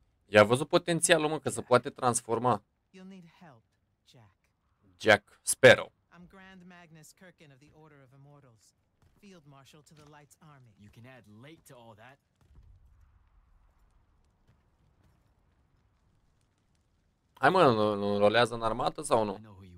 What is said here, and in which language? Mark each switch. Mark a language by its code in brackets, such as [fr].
[ro] I-a văzut potențialul, mă, că se poate transforma. [en] You'll need help, Jack. Jack Sparrow. I'm Grand Magnus Kirkin of the Order of Immortals, Field Marshal to the Light's Army. You can add late to all that. [ro] Hai mă, nu rolează în armată sau nu?